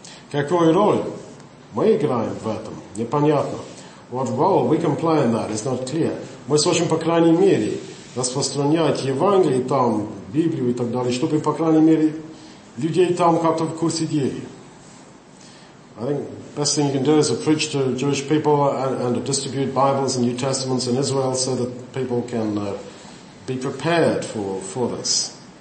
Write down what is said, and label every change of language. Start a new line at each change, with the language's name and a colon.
Russian: Какую роль мы играем в этом? Непонятно.
English: What role we can play in that is not clear.
Russian: Мы сможем, по крайней мере, распространять Евангелие там, Библию и так далее, чтобы, по крайней мере, людей там как-то в курсе дели.
English: I think the best thing you can do is to preach to Jewish people and to distribute Bibles and New Testaments in Israel so that people can be prepared for this.